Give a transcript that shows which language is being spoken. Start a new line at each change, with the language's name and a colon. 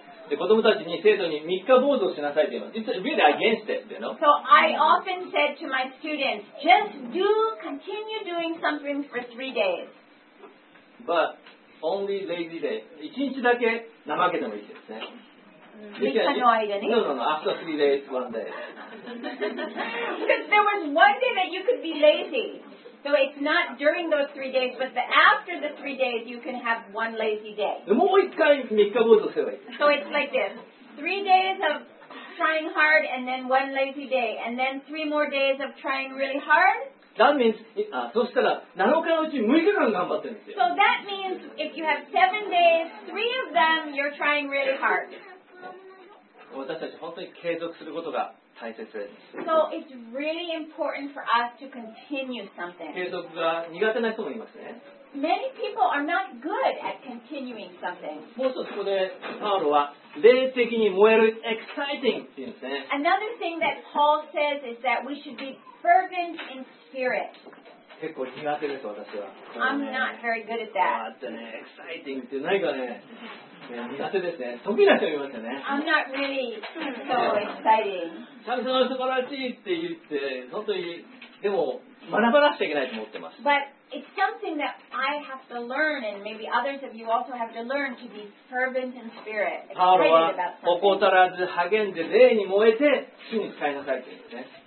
Japanese: で、子供たちに生徒に3日坊主をしなさいと言います。
English: It's really against it, you know? So I often said to my students, just do continue doing something for 3 days. But only lazy day.
Japanese: 一日だけ怠けてもいいですね。三日の間に。
English: No. After 3 days, 1 day. Because there was one day that you could be lazy. So it's not during those 3 days, but after the 3 days, you can have one lazy day.
Japanese: もう一回3日坊主すればいい。
English: So it's like this. 3 days of trying hard and then one lazy day. And then 3 more days of trying really hard. That means,
Japanese: そしたら7日のうち6日間頑張ってるんですよ。
English: So that means if you have 7 days, 3 of them you're trying really hard.
Japanese: 私たち本当に継続することが大切です。
English: So it's really important for us to continue something.
Japanese: 継続が苦手な人もいますね。
English: Many people are not good at continuing something.
Japanese: もう一つここでパウロは霊的に燃える exciting って言うんですね。
English: Another thing that Paul says is that we should be fervent in spirit.
Japanese: 結構苦手です私は。
English: I'm not very good at that.
Japanese: exciting ってないかね。苦手ですね。得意な人いますよね。
English: I'm not really so exciting.
Japanese: 神様素晴らしいって言って本当にでも学ばなくちゃいけないと思ってます。
English: But it's something that I have to learn, and maybe others of you also have to learn to be fervent in spirit.
Japanese: パウロは怠らず励んで霊に燃えて主に使いなさいって言うんですね。